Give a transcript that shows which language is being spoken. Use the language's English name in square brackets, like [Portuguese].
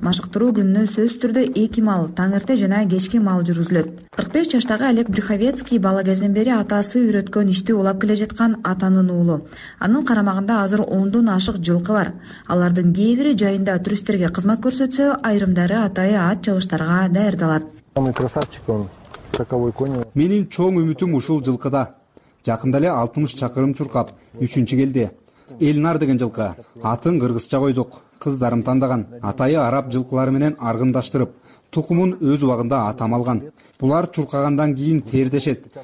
[Kyrgyz] Машыктыруу күнүнө сөзсүз түрдө 2 мал, таңерте жана кечки мал жүргүзүлөт. 45 жаштагы Олег Брюховецкий бала кезден бери атасы үйрөткөн ишти улап келе жаткан атанын уулу. Анын карамагында азыр 10дон ашык жылкы бар. Алардын кээ бири жайында туристтерге кызмат көрсөтсө, айрымдары атайы ат чабыштарга даярдалат. [Russian] Самый красавчик он, таковой конь. [Kyrgyz] Менин чоң үмүтүм ушул жылкыда. Жакында эле 60 чакырым чуркап, 3-чү келди. Элнар деген жылкы. Атын кыргызча койдук. Кыздарым тандаган. Атайы араб жылкылары менен аргындаштырып, тукумун өз убагында атам алган. Булар чуркагандан кийин тердешет.